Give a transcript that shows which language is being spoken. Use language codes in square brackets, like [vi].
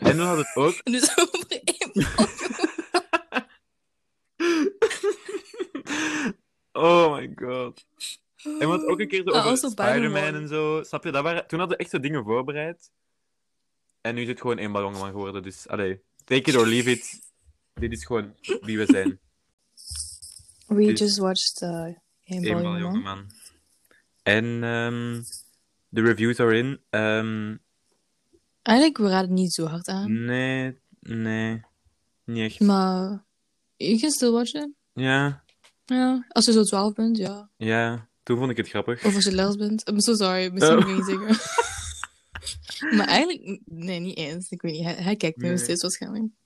[nl] En we hadden het ook... En dus over één [en] oh my god. [nl] En wat ook een keer over Spider-Man en zo. Snap je, dat waren, toen hadden we echt zo dingen voorbereid. En nu is het gewoon eenmaal jongeman geworden. Dus, allee, [en] take it or leave it. [nl] Dit is gewoon wie we zijn. [en] We dus, just watched eenmaal jongeman. [nl] En de [en] reviews are in. [nl] Eigenlijk, we raden niet zo hard aan. Nee. Niet echt. [en] Maar, you can still watch it. [nl] Ja. [en] Yeah. [nl] Ja, als je zo 12 bent, ja. Ja, toen vond ik het grappig. Of als je les bent. [en] I'm so sorry, [nl] misschien moet ik niet zeggen. Maar eigenlijk, nee, niet eens. Ik weet niet, hij kijkt me nog steeds waarschijnlijk.